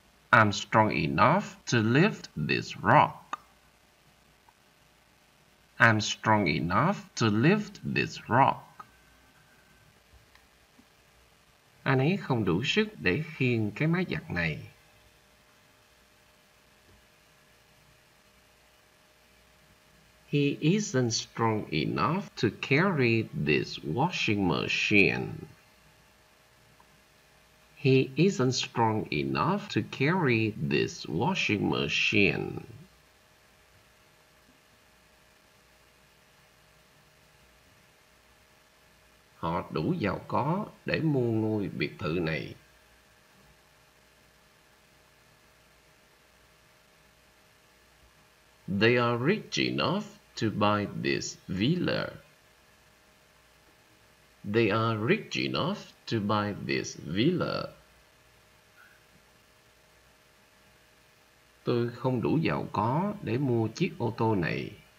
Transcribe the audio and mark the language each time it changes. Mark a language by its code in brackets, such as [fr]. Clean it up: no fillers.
[en] I'm strong enough to lift this rock. I'm strong enough to lift this rock. [vi] Anh ấy không đủ sức để khiêng cái máy giặt này. [en] He isn't strong enough to carry this washing machine. He isn't strong enough to carry this washing machine. [vi] Họ đủ giàu có để mua ngôi biệt thự này. [en] They are rich enough to buy this villa. They are rich enough to buy this villa. [vi] Tôi không đủ giàu có để mua chiếc ô tô này.